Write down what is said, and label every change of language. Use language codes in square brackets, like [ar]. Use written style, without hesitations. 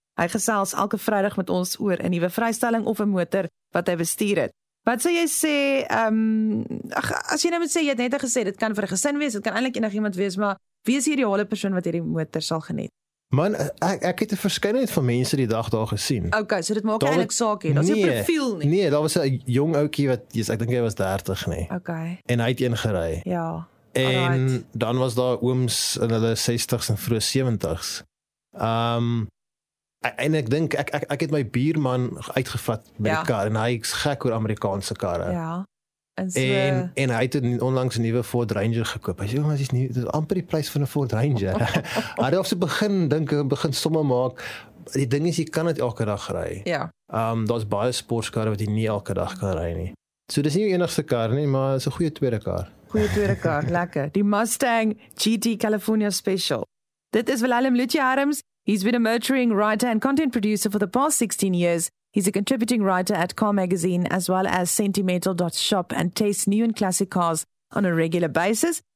[af] Hy gesels elke Vrydag met ons oor 'n nuwe vrystelling of 'n motor wat hy bestuur het. Wat sou jy sê, as jy nou moet sê, jy het net gesê, dit kan vir 'n gesin wees, dit kan eintlik enigiemand wees, maar wie is die ideale persoon wat hierdie motor sal geniet? Man, ek het 'n verskeidenheid van mense die dag daar gesien. Ok, so dit maak eintlik saak hier. Daar's nie 'n profiel nie. Nee, daar was 'n jong ouetjie wat, ek dink hy was 30, nee. Ok. En hy het een gery. Ja. En dan was daar ooms in hulle 60s en vroeg 70s. En ek dink ek het my buurman uitgevat met die kar en hy is gek oor Amerikaanse karre. Ja. En hy het onlangs 'n nuwe Ford Ranger gekoop. Hy sê, "Maar dis nie, dis amper die prys van 'n Ford Ranger." Hy het also begin somme maak. Die ding is jy kan dit elke dag ry. Ja. Daar's baie sportkarre wat jy nie elke dag kan ry nie. So dis nie die enigste kar nie, maar is 'n goeie tweede kar, lekker. Die Mustang GT California Special. Dit is Willem Lutje Harms. [en] He's been a motoring writer and content producer for the past 16 years. He's a contributing writer at Car Magazine, as well as Sentimental.shop, and tastes new and classic cars on a regular basis.